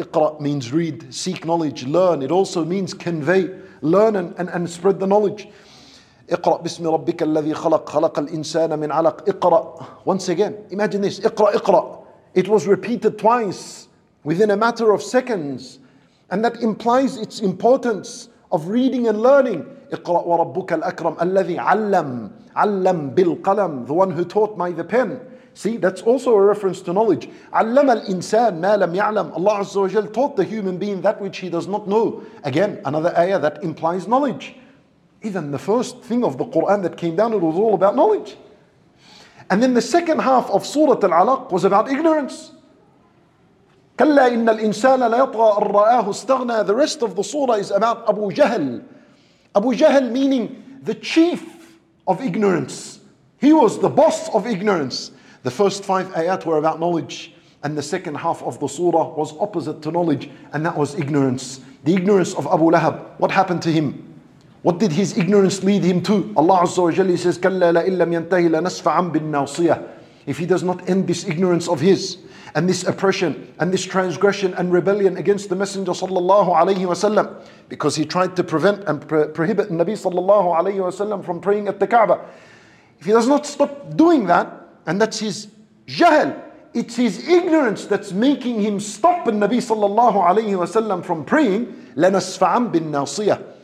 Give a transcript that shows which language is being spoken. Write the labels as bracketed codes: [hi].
[en] اقرأ means read, seek knowledge, learn. It also means convey, learn and spread the knowledge. [ar] اقرأ بسم ربك الذي خلق. خلق الإنسان من علق. اقرأ. [en] Once again, imagine this. [ar] اقرأ اقرأ. [en] It was repeated twice within a matter of seconds. And that implies its importance of reading and learning. [ar] اقرأ وربك الأكرم الذي علم. علم بالقلم. [en] The one who taught by the pen. See, that's also a reference to knowledge. [ar] علم الإنسان ما لم يعلم. [en] Allah Azza wa Jal taught the human being that which he does not know. Again, another ayah that implies knowledge. Even the first thing of the Quran that came down, it was all about knowledge. And then the second half of Surah Al-Alaq was about ignorance. [ar] كَلَّا إِنَّ الْإِنسَانَ لَيَطْغَى أَرْرَآهُ اسْتَغْنَى. [en] The rest of the surah is about Abu Jahl. Abu Jahl meaning the chief of ignorance. He was the boss of ignorance. The first five ayat were about knowledge. And the second half of the surah was opposite to knowledge. And that was ignorance. the ignorance of Abu Lahab, what happened to him? What did his ignorance lead him to? [ar] Allah Azza wa Jalla says, كَلَّا لَإِن لَمْ يَنْتَهِ لَنَسْفَعًا بِالنَّاصِيَةِ. [en] If he does not end this ignorance of his, and this oppression, and this transgression and rebellion against the Messenger sallallahu alayhi wa sallam, because he tried to prevent and prohibit Nabi sallallahu alayhi wa sallam from praying at the Kaaba. If he does not stop doing that, and that's his jahl, it's his ignorance that's making him stop the Nabi sallallahu alayhi wa sallam from praying, [ar] لَنَسْفَعًا بِالنَّاصِيَةِ.